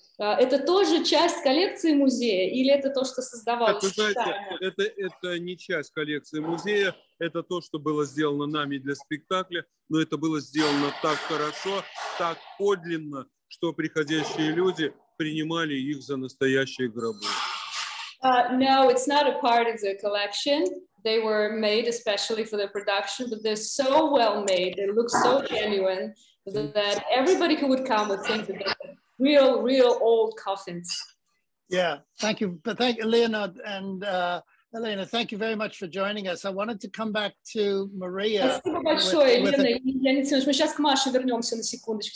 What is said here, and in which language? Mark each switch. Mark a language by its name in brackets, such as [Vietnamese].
[Russian] Это тоже часть коллекции музея или это то, что создавалось? Так, знаете, это не часть коллекции музея, это то, что было сделано нами для спектакля, но это было сделано так хорошо, так подлинно, что приходящие люди принимали их за настоящие гробы. [English] No, it's not a part of the collection. They were made especially for the production, but they're so well made, they look so genuine, that everybody who would come would think that real, real old coffins. Yeah, thank you. But thank you, Leonard and Elena, thank you very much for joining us. I wanted to come back to Maria. [Russian] Спасибо большое, Елена. Я не знаю, мы сейчас к Маше вернемся на секундочку.